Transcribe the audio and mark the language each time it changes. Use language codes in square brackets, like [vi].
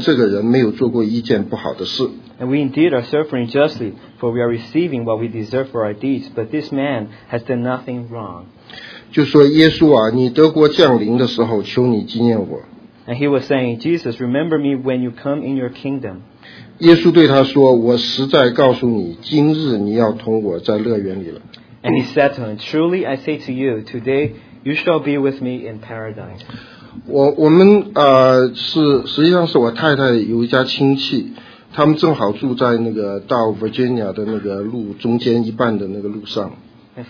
[zh] 我们是应该的，因为我们所受的与我们所做的相称。但这个人没有做过一件不好的事。 [en] And we indeed are suffering justly, for we are receiving what we deserve for our deeds. But this man has done nothing wrong. [zh] 就说耶稣啊，你德国降临的时候，求你纪念我。 [en] And he was saying, "Jesus, remember me when you come in your kingdom." [zh] 耶稣对他说：“我实在告诉你，今日你要同我在乐园里了。”And [en] he said to him, "Truly I say to you, today you shall be with me in paradise." [zh] 我们是实际上是我太太有一家亲戚，他们正好住在那个到 Virginia 的那个路中间一半的那个路上。In